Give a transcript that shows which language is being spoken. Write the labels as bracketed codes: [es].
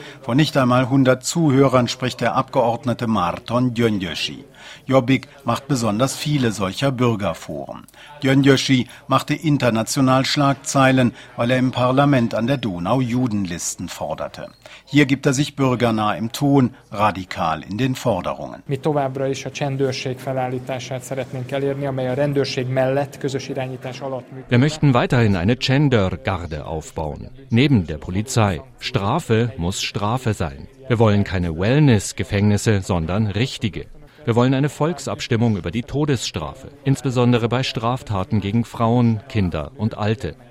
[de] Vor nicht einmal 100 Zuhörern spricht der Abgeordnete Márton Gyöngyösi. Jobbik macht besonders viele solcher Bürgerforen. Gyöngyösi machte international Schlagzeilen, weil er im Parlament an der Donau Judenlisten forderte. Hier gibt er sich bürgernah im Ton, radikal in den Forderungen. [hu] Mi továbbra is a csendőrség felállítását szeretnénk elérni, amely a rendőrség mellett közös irányítás alatt működik. [de] Wir möchten weiterhin eine Gender-Garde aufbauen, neben der Polizei. Strafe muss Strafe sein. Wir wollen keine Wellness-Gefängnisse, sondern richtige. Wir wollen eine Volksabstimmung über die Todesstrafe, insbesondere bei Straftaten gegen Frauen, Kinder und Alte.